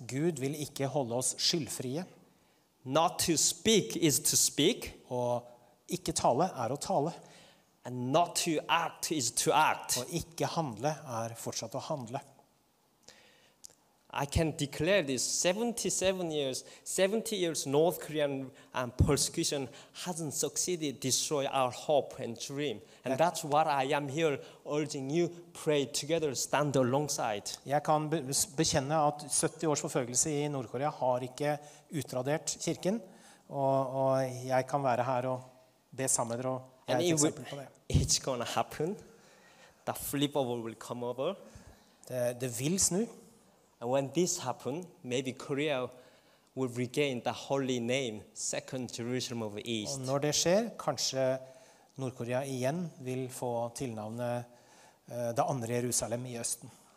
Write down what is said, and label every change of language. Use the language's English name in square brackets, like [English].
[Norwegian] Gud vil ikke holde oss skyldfrie. [English] Not to speak is to speak. [Norwegian] Og ikke tale å tale. [English] And not to act is to act. [Norwegian] Og ikke handle fortsatt å handle. [English] I can declare this 77 years, 70 years North Korean persecution hasn't succeeded, destroy our hope and dream. And that's what I am here urging you, pray together, stand alongside. [Norwegian] Jeg kan bekjenne at 70 års forfølgelse I Nord-Korea har ikke utradert kirken, og jeg kan være her og be sammen med dere og jeg et eksempel på det. [English] It's gonna happen. The flip over will come over. [Norwegian] Det vil snu. [English] And when this happens, maybe Korea will regain the holy name, Second Jerusalem of the East. [Norwegian] Og når det skjer, kanskje Nord-Korea igjen vil få tilnavnet det andre Jerusalem I Østen.